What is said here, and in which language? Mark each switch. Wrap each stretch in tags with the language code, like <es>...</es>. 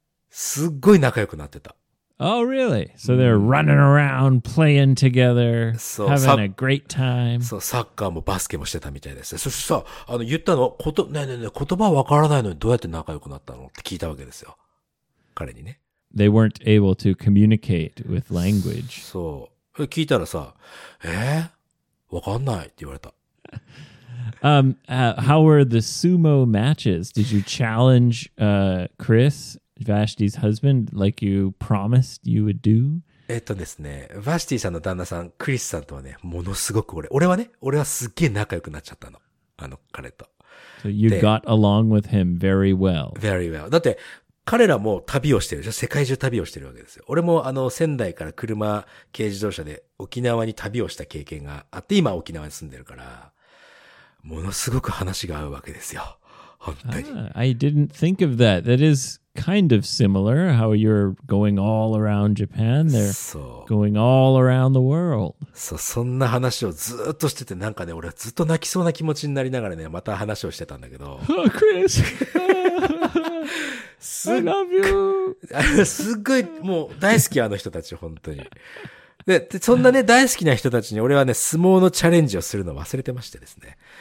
<ja>すっごい仲良くなってた。</ja> <en>Oh, really? So they're running around, playing together, having a great time.</en> <ja>そう、サッカーもバスケもしてたみたいです。そしてさ、言ったの、言葉わからないのにどうやって仲良くなったのって聞いたわけですよ。彼にね。</ja> <en>They weren't able to communicate with language.</en> <ja>そう。聞いたらさ、わかんないって言われた。</ja> <en>How were the sumo matches? Did you challenge Chris, Vashti's husband, like you promised you would do?</en> <ja>ですね、Vashtiさんの旦那さん、クリスさんとはね、ものすごく俺はすっげえ仲良くなっちゃったの。あの彼と。</ja> <en>So you got along with him very well. Very well.</en> <ja>だって、彼らも旅をしてるじゃん。世界中旅をしてるわけですよ。俺も仙台から車、軽自動車で沖縄に旅をした経験があって、今沖縄に住んでるから、ものすごく話が合うわけですよ。本当に。</ja> <en>I didn't think of that. That is kind of similar, how you're going all around Japan. They're going all around the world.</en> <ja>そう、そんな話をずっとしてて、なんかね、俺はずっと泣きそうな気持ちになりながらね、また話をしてたんだけど。</ja> <en>Oh, Chris! I love you!</en> <ja>すっごい、もう大好き、あの人たち、本当に。で、そんなね、大好きな人たちに俺はね、相撲のチャレンジをするの忘れてましてですね。</ja>